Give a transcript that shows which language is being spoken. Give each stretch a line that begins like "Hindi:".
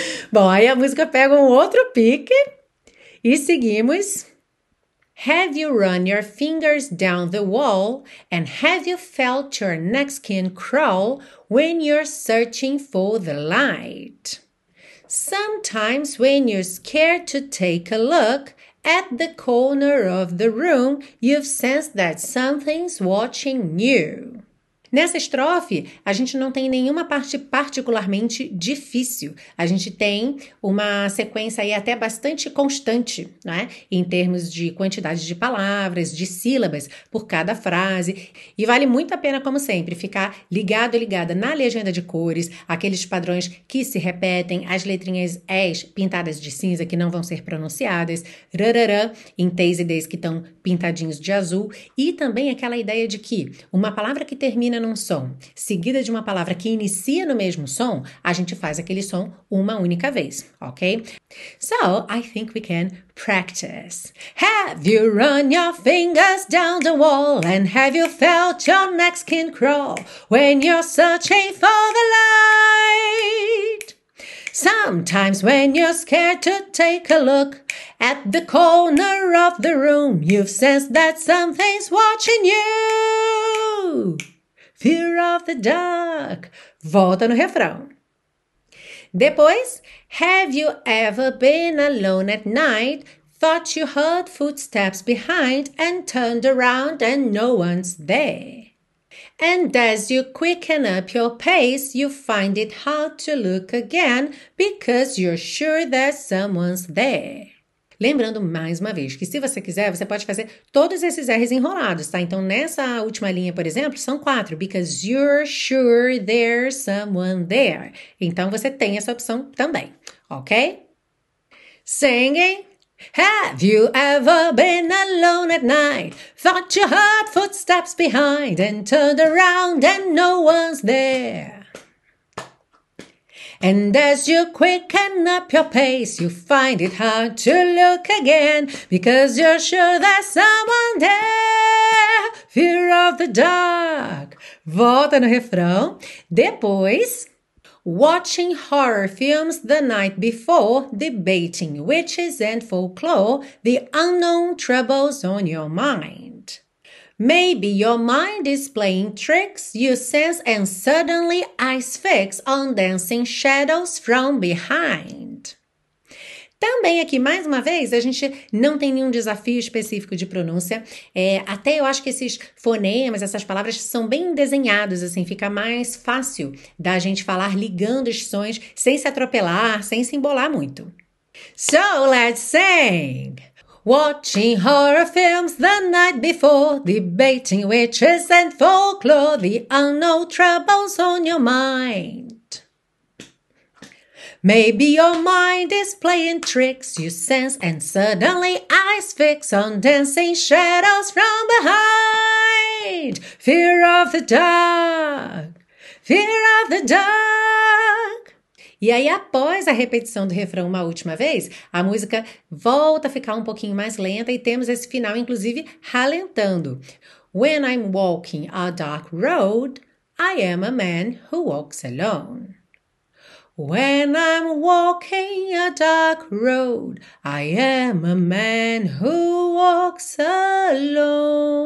Portuguese: Bom, aí a música pega um outro pique. E seguimos.
English: Have you run your fingers down the wall? And have you felt your neck skin crawl when you're searching for the light? Sometimes when you're scared to take a look at the corner of the room, you've sensed that something's watching you.
Portuguese: Nessa estrofe, a gente não tem nenhuma parte particularmente difícil. A gente tem uma sequência aí até bastante constante, não é? Em termos de quantidade de palavras, de sílabas por cada frase. E vale muito a pena, como sempre, ficar ligado e ligada na legenda de cores, aqueles padrões que se repetem, as letrinhas Es pintadas de cinza que não vão ser pronunciadas, rararã em Tês e Dês que estão pintadinhos de azul. E também aquela ideia de que uma palavra que termina num som, seguida de uma palavra que inicia no mesmo som, a gente faz aquele som uma única vez, ok?
English: So, I think we can practice. Have you run your fingers down the wall? And have you felt your neck skin crawl when you're searching for the light? Sometimes when you're scared to take a look at the corner of the room, you've sensed that something's watching you. Fear of the dark.
Portuguese: Volta no refrão.
English: Depois, have you ever been alone at night? Thought you heard footsteps behind and turned around and no one's there. And as you quicken up your pace, you find it hard to look again because you're sure that someone's there.
Portuguese: Lembrando mais uma vez que, se você quiser, você pode fazer todos esses R's enrolados, tá? Então, nessa última linha, por exemplo, são quatro.
English: Because you're sure there's someone there.
Portuguese: Então, você tem essa opção também, ok?
English: Singing. Have you ever been alone at night? Thought you heard footsteps behind and turned around and no one's there. And as you quicken up your pace, you find it hard to look again because you're sure there's someone there. Fear of the dark.
Portuguese: Volta no refrão.
English: Depois, watching horror films the night before, debating witches and folklore, the unknown troubles on your mind. Maybe your mind is playing tricks, you sense and suddenly eyes fix on dancing shadows from behind.
Portuguese: Também aqui, mais uma vez, a gente não tem nenhum desafio específico de pronúncia. Até eu acho que esses fonemas, essas palavras, são bem desenhados, assim, fica mais fácil da gente falar ligando os sons sem se atropelar, sem se embolar muito.
English: So, let's sing! Watching horror films the night before, debating witches and folklore, the unknown troubles on your mind. Maybe your mind is playing tricks you sense, and suddenly eyes fix on dancing shadows from behind. Fear of the dark, fear of the dark.
Portuguese: E aí, após a repetição do refrão uma última vez, a música volta a ficar um pouquinho mais lenta e temos esse final, inclusive, ralentando.
English: When I'm walking a dark road, I am a man who walks alone. When I'm walking a dark road, I am a man who walks alone.